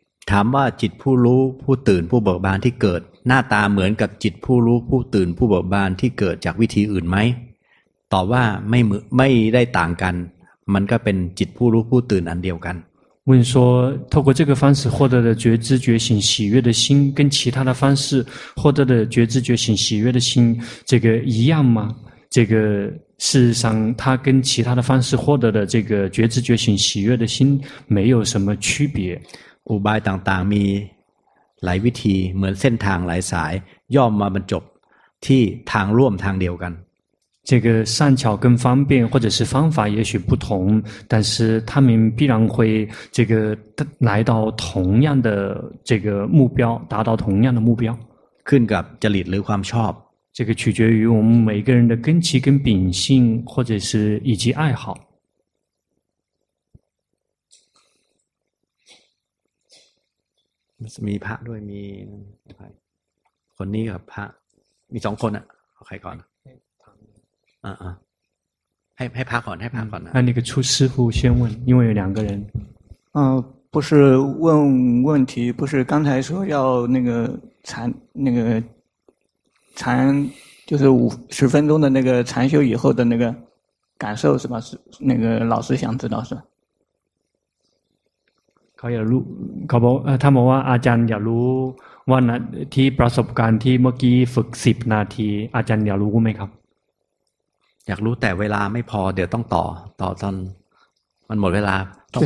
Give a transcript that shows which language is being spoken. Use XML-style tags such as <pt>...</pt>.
<th>ถามว่าจิตผู้รู้ผู้ตื่นผู้เบิกบานที่เกิดหน้าตาเหมือนกับจิตผู้รู้ผู้ตื่นผู้เบิกบานที่เกิดจากวิธีอื่นไหมตอบว่าไม่ได้ต่างกันมันก็เป็นจิตผู้รู้ผู้ตื่นอันเดียวกัน</th> <zh>问说透过这个方式获得的觉知觉醒喜悦的心跟其他的方式获得的觉知觉醒喜悦的心这个一样吗这个事实上它跟其他的方式获得的这个觉知觉醒喜悦的心没有什么区别</zh> <th>อุบายต่างๆมีหลายวิธีเหมือนเส้นทางหลายสายย่อมมาบรรจบที่ทางร่วมทางเดียวกัน</th> <zh>这个善巧跟方便或者是方法也许不同但是他们必然会这个来到同样的这个目标达到同样的目标</zh> <th>ขึ้นกับจริตหรือความชอบ</th> <zh>这个取决于我们每个人的根基跟秉性或者是以及爱好</zh> <th>มีพระด้วยมีคนนี้กับพระมีสองคนอะใครก่อนให้พระก่อนให้พระก่อนนะ นี่คือ</th> <zh>出师傅先问因为有两个人不是问问题不是刚才说要那个禅那个禅就是五十分钟的那个禅修以后的那个感受是吧是那个老师想知道是吧</zh> <th>เขาอยากรู้เขาบอกถ้ามองว่าอาจารย์อยากรู้ว่าที่ประสบการณ์ที่เมื่อกี้ฝึกสิบนาทีอาจารย์อยากรู้ไหมครับ อยากรู้แต่เวลาไม่พอเดี๋ยวต้องต่อตอนมันหมดเวลาต้อง</th>